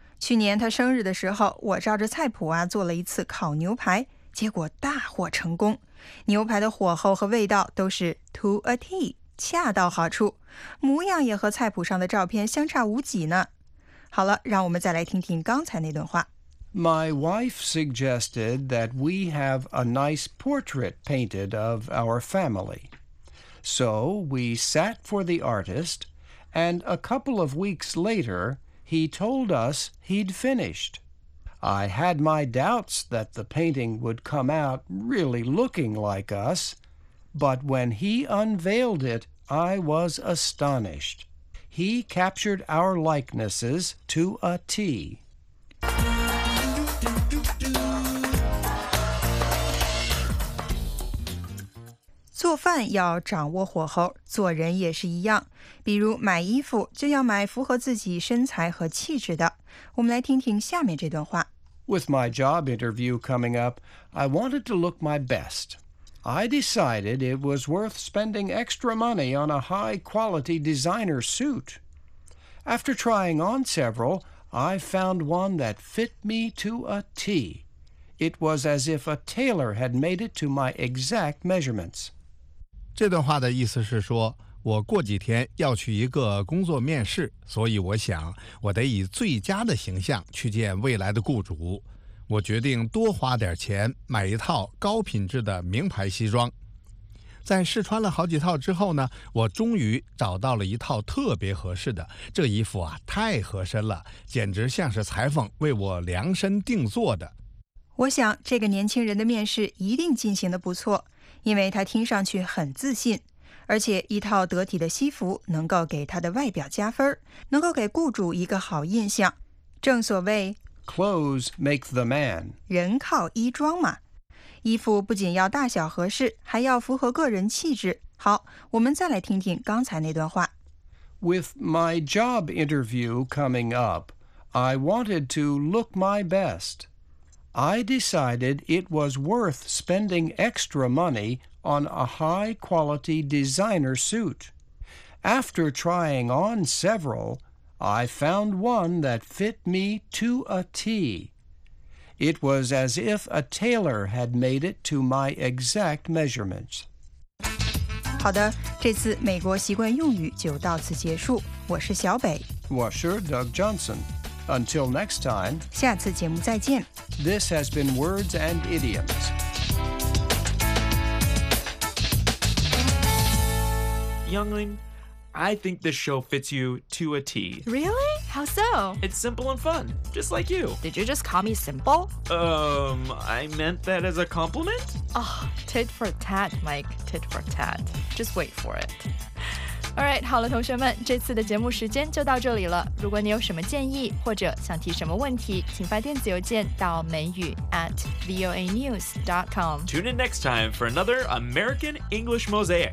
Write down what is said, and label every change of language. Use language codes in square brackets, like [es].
[zh] 去年他生日的时候，我照着菜谱啊做了一次烤牛排，结果大获成功。牛排的火候和味道都是 [en] to a T， [zh] 恰到好处，模样也和菜谱上的照片相差无几呢。好了，让我们再来听听刚才那段话。 [en] My wife suggested that we have a nice portrait painted of our family. So we sat for the artist, and a couple of weeks later, he told us he'd finished. I had my doubts that the painting would come out really looking like us, but when he unveiled it, I was astonished. He captured our likenesses to a T. [zh] 做饭要掌握火候，做人也是一样。比如买衣服就要买符合自己身材和气质的。我们来听听下面这段话。 With my job interview coming up, I wanted to look my best. I decided it was worth spending extra money on a high-quality designer suit. After trying on several, I found one that fit me to a T. It was as if a tailor had made it to my exact measurements. 这段话的意思是说，我过几天要去一个工作面试，所以我想我得以最佳的形象去见未来的雇主。我决定多花点钱买一套高品质的名牌西装。在试穿了好几套之后呢，我终于找到了一套特别合适的。这衣服啊，太合身了，简直像是裁缝为我量身定做的。我想这个年轻人的面试一定进行得不错，因为他听上去很自信，而且一套得体的西服能够给他的外表加分，能够给雇主一个好印象。正所谓 [en] Clothes make the man， [zh] 人靠衣装嘛。衣服不仅要大小合适，还要符合个人气质。好，我们再来听听刚才那段话。 [en] With my job interview coming up, I wanted to look my bestI decided it was worth spending extra money on a high-quality designer suit. After trying on several, I found one that fit me to a T. It was as if a tailor had made it to my exact measurements. [zh] 好的，这次美国习惯用语就到此结束。我是小北。我是 Doug Johnson。 [en] Until next time, [zh] 下次节目再见。 [en] This has been Words and Idioms. Younglin, I think this show fits you to a T. Really? How so? It's simple and fun, just like you. Did you just call me simple? I meant that as a compliment. Oh, tit for tat, Mike, tit for tat. Just wait for it. All right, [zh] 好了，同学们，这次的节目时间就到这里了。如果你有什么建议或者想提什么问题，请发电子邮件到美语 @voanews.com. [en] Tune in next time for another American English Mosaic.